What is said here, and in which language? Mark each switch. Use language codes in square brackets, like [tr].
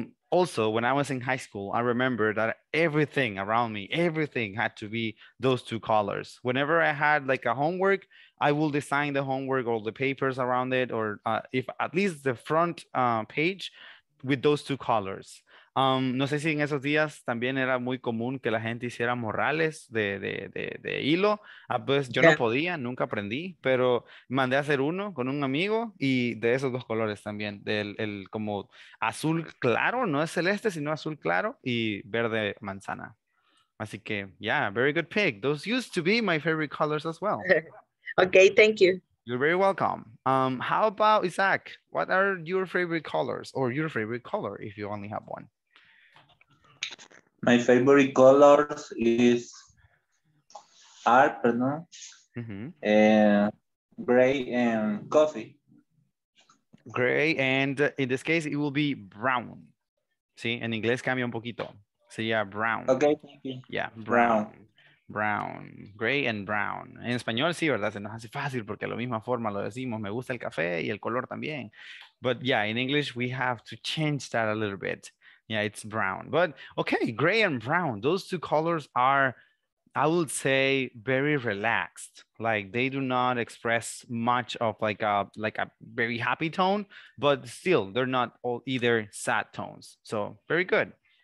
[en] Also, when I was in high school, I remember that everything around me, everything had to be those two colors. Whenever I had like a homework, I will design the homework or the papers around it, or if at least the front page with those two colors. [es] No sé si en esos días también era muy común que la gente hiciera morrales de hilo. Pues yo no podía, nunca aprendí, pero mandé a hacer uno con un amigo y de esos dos colores también, del el como azul claro, no es celeste, sino azul claro y verde manzana. Así que, [en] yeah, very good pick. Those used to be my favorite colors as well. Okay, thank you. You're very welcome. How about Isaac? What are your favorite colors or your favorite color if you only have one? My favorite colors is gray and coffee. Gray, and in this case, it will be brown. [es] Sí, en inglés cambia un poquito. [en] So yeah, brown. Okay, thank you. Yeah, brown. Brown, gray and brown. [es] En español sí, ¿verdad? Se nos hace fácil porque de la misma forma lo decimos. Me gusta el café y el color también. [en] But yeah, in English, we have to change that a little bit. Yeah, it's brown. But okay, gray and brown. Those two colors are, I would say, very relaxed. Like they do not express much of like a very happy tone, but still they're not all either sad tones. So very good.